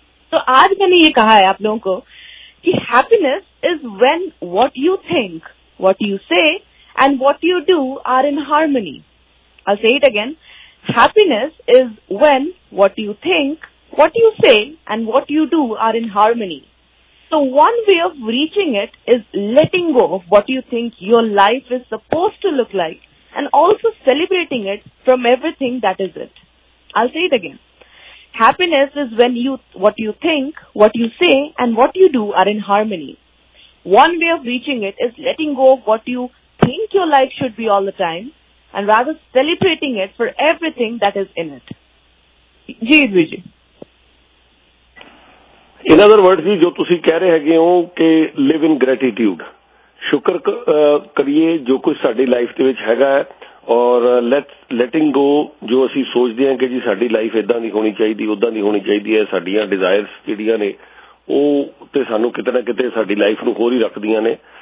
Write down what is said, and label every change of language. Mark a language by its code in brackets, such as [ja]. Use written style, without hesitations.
[hi] ਸੋ ਆਜ ਮੈਨੇ ਯੇ ਕਹਾ ਹੈ ਆਪ ਲੋਗੋਂ ਕੋ ਕਿ [en] Happiness is when what you think, what you say and what you do are in harmony. I say it again, happiness is when what you think, what you say and what you do are in harmony. So one way of reaching it is letting go of what you think your life is supposed to look like and also celebrating it from everything that is it. I'll say it again. Happiness is when you, what you think, what you say and what you do are in harmony. One way of reaching it is letting go of what you think your life should be all the time and rather celebrating it for everything that is in it. Ji, Vijay. In other word [pa] ਜੀ, ਜੋ ਤੁਸੀਂ ਕਹਿ ਰਹੇ ਹੈਗੇ ਹੋ ਕਿ [en] live in gratitude, [pa] ਸ਼ੁਕਰ ਕਰੀਏ ਜੋ ਕੁਝ ਸਾਡੀ ਲਾਈਫ ਦੇ ਵਿਚ ਹੈਗਾ ਹੈ, ਔਰ [en] letting go [pa] ਜੋ ਅਸੀਂ ਸੋਚਦੇ ਹਾਂ ਕਿ ਜੀ ਸਾਡੀ ਲਾਈਫ ਏਦਾਂ ਦੀ ਹੋਣੀ ਚਾਹੀਦੀ, ਉਦਾਂ ਦੀ ਹੋਣੀ ਚਾਹੀਦੀ ਹੈ, ਸਾਡੀਆਂ ਡਿਜ਼ਾਇਰਸ ਜਿਹੜੀਆਂ ਨੇ ਉਹ ਤੇ ਸਾਨੂੰ ਕਿਤੇ ਨਾ ਕਿਤੇ ਸਾਡੀ ਲਾਈਫ ਨੂੰ ਹੋਰ ਹੀ ਰੱਖਦੀਆਂ ਨੇ।